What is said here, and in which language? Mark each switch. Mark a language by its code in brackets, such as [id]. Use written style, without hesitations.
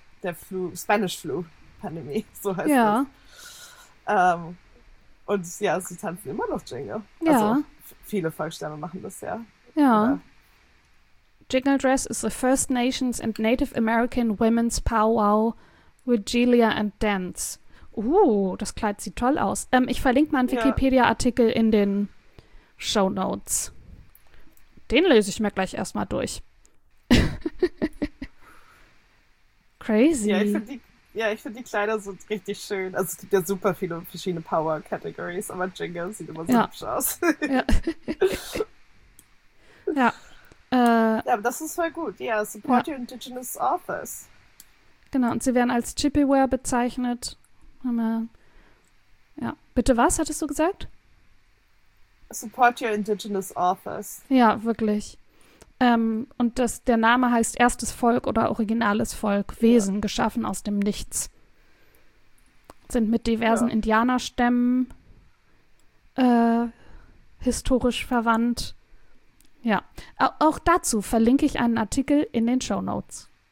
[de] der Flu, Spanish Flu Pandemie, so heißt Ja. das. Und ja, sie tanzen immer noch Jingle. Also Ja. viele Volksstämme machen das ja. Ja. Oder? [en] Jingle Dress is the First Nations and Native American Women's Powwow, Regalia and Dance. [de] Das Kleid sieht toll aus. Ich verlinke mal einen Ja. Wikipedia-Artikel in den Show Notes. Den lese ich mir gleich erstmal durch. Ja, ich [en] Crazy. [de] finde die Kleider so richtig schön. Also es gibt ja super viele verschiedene Power-Categories, aber Jingle sieht immer so Ja. hübsch aus. Ja. Ja. Aber das ist voll gut. Ja, [en] support your indigenous authors. [de] Genau, und sie werden als Chippewa bezeichnet. Ja. Bitte was, hattest du gesagt? [en] Support your indigenous authors. [de] Ja, wirklich. Und der Name heißt Erstes Volk oder originales Volk, Ja. Wesen, geschaffen aus dem Nichts. Sind mit diversen Ja. Indianerstämmen historisch verwandt. Ja, auch dazu verlinke ich einen Artikel in den Shownotes.